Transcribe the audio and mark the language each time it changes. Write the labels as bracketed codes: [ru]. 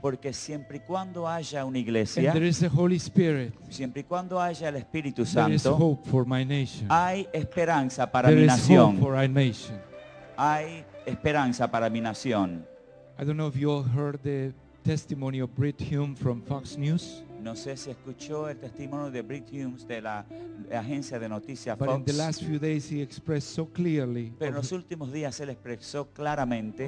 [es] porque siempre y cuando haya una iglesia, [en] there is a Holy Spirit, [es] siempre y cuando haya el Espíritu Santo, [en] there is hope for my nation. [es] Hay esperanza para [en] there [es] mi nación. [en] Is hope for our nation. [es] Hay esperanza para mi nación. [en] I don't know if you all heard the testimony of Brit Hume from Fox News. [es] No sé si escuchó el testimonio de Brit Hume de la agencia de noticias [en] But [es] Fox. [en] In the last few days he expressed so clearly [es] Pero en los últimos días él expresó claramente